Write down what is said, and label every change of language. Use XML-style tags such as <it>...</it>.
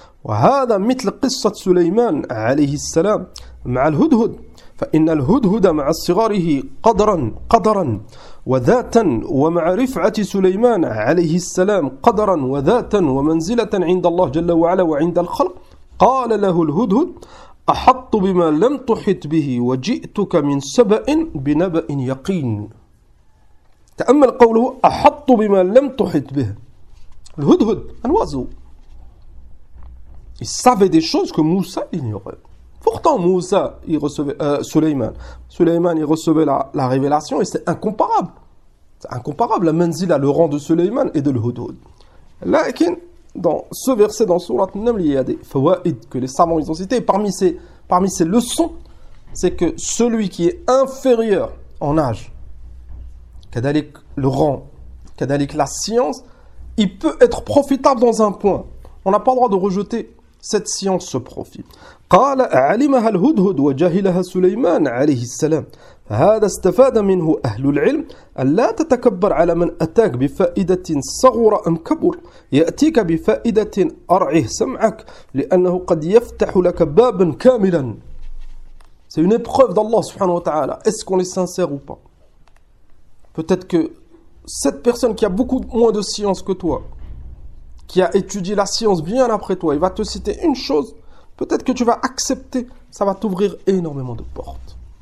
<ar>وهذا مثل قصة سليمان عليه السلام مع الهدهد فإن الهدهد مع صغاره قدرا قدرا وذاتا ومع رفعة سليمان عليه السلام قدرا وذاتا ومنزلة عند الله جل وعلا وعند الخلق قال له الهدهد أحط بما لم تحط به وجئتك من سبأ بنبأ يقين. تأمل قوله أحط بما لم تحط به. الهدهد الوازو</ar> <fr>Il savait des choses que Moussa ignorait. Pourtant, Moussa, il recevait, Suleyman, il recevait la révélation et c'est incomparable. C'est incomparable, la menzila, le rang de Suleyman et de l'Hudhud. Lakin, Dans ce verset, dans Sourate An-Naml, il y a des fawaïd que les savants ils ont cités. Parmi ces leçons, c'est que celui qui est inférieur en âge, kadalik le rang, kadalik la science, il peut être profitable dans un point. On n'a pas le droit de rejeter cette science, ce profit.</fr> <ar>قال علمها الهدهد وجهلها سليمان عليه السلام فهذا استفاد منه أهل العلم ألا تتكبر على من أتاك بفائدة صغر أم كبر يأتيك بفائدة أرعه سمعك لأنه قد يفتح لك بابا كاملا.</ar> <fr>C'est une épreuve d'Allah subhanahu wa ta'ala. Est-ce qu'on est sincère ou pas? Peut-être que cette personne qui a beaucoup moins de science que toi, qui a étudié la science bien après toi, il va te citer une chose. Peut-être que tu vas accepter, ça va t'ouvrir énormément de portes.</fr>